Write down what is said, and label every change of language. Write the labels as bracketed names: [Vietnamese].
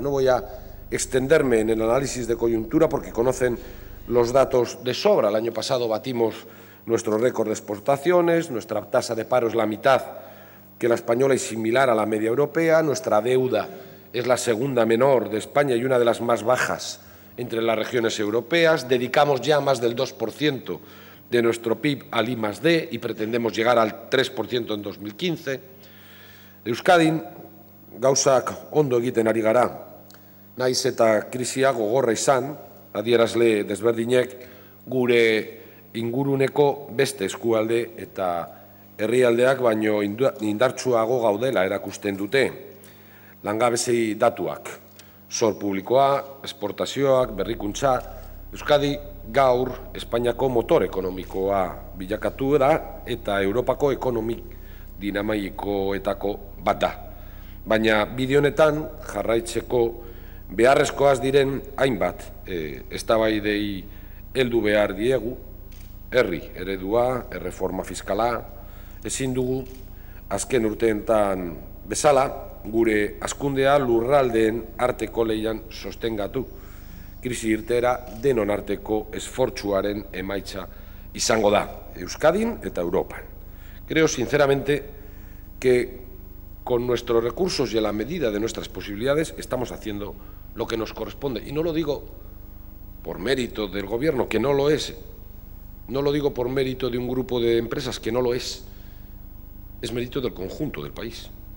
[Spanish] No voy a extenderme en el análisis de coyuntura porque conocen los datos de sobra. El año pasado batimos nuestro récord de exportaciones, nuestra tasa de paro es la mitad que la española y similar a la media europea, nuestra deuda es la segunda menor de España y una de las más bajas entre las regiones europeas. Dedicamos ya más del 2% de nuestro PIB al I+D y pretendemos llegar al 3% en 2015. [Basque] Euskadin, gauzak ondo egiten ari gara, naiz eta krisia gogorra izan, adierazle desberdinek, gure inguruneko beste eskualde eta herrialdeak baino indartsuago gaudela erakusten dute. Langabezi datuak, zor publikoa, esportazioak, berrikuntza, Euskadi gaur Espainiako motor ekonomikoa bilakatu da eta Europako ekonomik dinamikoetako bat da. Baina bide honetan jarraitzeko beharrezkoaz diren hainbat eztabaidei heldu behar diegu, herri eredua, erreforma fiskala, ezin dugu azken urteetan bezala gure hazkundea lurraldeen arteko lehian sostengatu. Krisi irteera denon arteko esfortzuaren emaitza izango da, Euskadin eta Europan. [Spanish] Creo sinceramente que con nuestros recursos y a la medida de nuestras posibilidades estamos haciendo lo que nos corresponde. Y no lo digo por mérito del Gobierno, que no lo es. No lo digo por mérito de un grupo de empresas, que no lo es. Es mérito del conjunto del país.